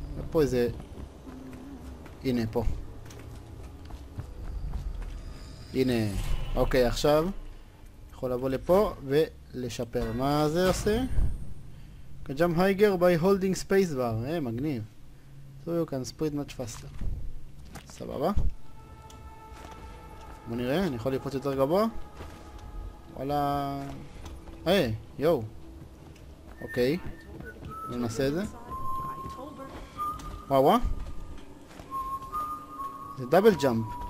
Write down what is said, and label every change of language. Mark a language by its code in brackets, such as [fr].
[he] פה איזה... הנה, פה. הנה. אוקיי, עכשיו. יכול לבוא לפה ולשפר. מה זה עושה? גם [en] הייגר בי הולדינג ספייס בר, [he] מגניב. [en] So you can spread much faster. [he] סבבה. בוא נראה, אני יכול לקפוץ יותר גבוה? וואלה... יואו. אוקיי. בוא נעשה את זה. וואו וואו. זה דאבל ג'אמפ.